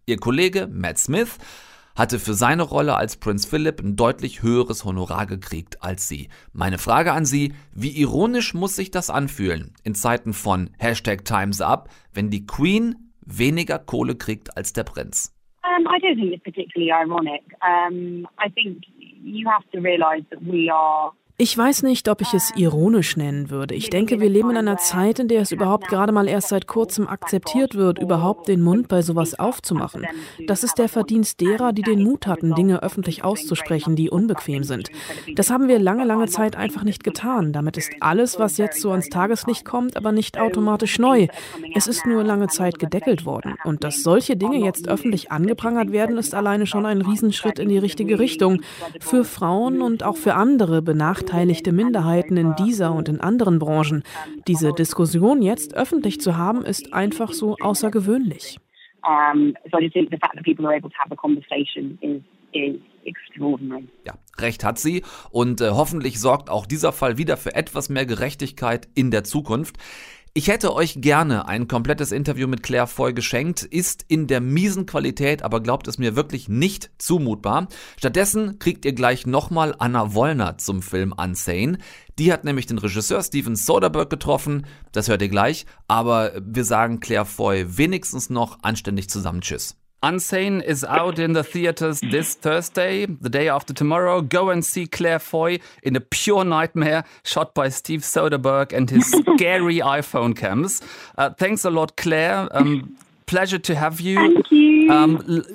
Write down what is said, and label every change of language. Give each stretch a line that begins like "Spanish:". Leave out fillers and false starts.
German: Ihr Kollege Matt Smith hatte für seine Rolle als Prinz Philip ein deutlich höheres Honorar gekriegt als sie. Meine Frage an Sie, wie ironisch muss sich das anfühlen in Zeiten von Hashtag Time's Up, wenn die Queen weniger Kohle kriegt als der Prinz?
English: I don't think it's particularly ironic. I think you have to realize that we are...
German: Ich weiß nicht, ob ich es ironisch nennen würde. Ich denke, wir leben in einer Zeit, in der es überhaupt gerade mal erst seit kurzem akzeptiert wird, überhaupt den Mund bei sowas aufzumachen. Das ist der Verdienst derer, die den Mut hatten, Dinge öffentlich auszusprechen, die unbequem sind. Das haben wir lange, lange Zeit einfach nicht getan. Damit ist alles, was jetzt so ans Tageslicht kommt, aber nicht automatisch neu. Es ist nur lange Zeit gedeckelt worden. Und dass solche Dinge jetzt öffentlich angeprangert werden, ist alleine schon ein Riesenschritt in die richtige Richtung. Für Frauen und auch für andere benachteiligte Minderheiten in dieser und in anderen Branchen. Diese Diskussion jetzt öffentlich zu haben, ist einfach so außergewöhnlich.
English: So I just think the fact that people are able to have a conversation is extraordinary.
German: Ja, recht hat sie. Und hoffentlich sorgt auch dieser Fall wieder für etwas mehr Gerechtigkeit in der Zukunft. Ich hätte euch gerne ein komplettes Interview mit Claire Foy geschenkt, ist in der miesen Qualität, aber glaubt es mir, wirklich nicht zumutbar. Stattdessen kriegt ihr gleich nochmal Anna Wollner zum Film Unsane. Die hat nämlich den Regisseur Steven Soderbergh getroffen, das hört ihr gleich, aber wir sagen Claire Foy wenigstens noch anständig zusammen Tschüss.
English: Unsane is out in the theaters this Thursday, the day after tomorrow. Go and see Claire Foy in a pure nightmare shot by Steve Soderbergh and his scary iPhone cams. Thanks a lot, Claire. Pleasure to have you. Thank you.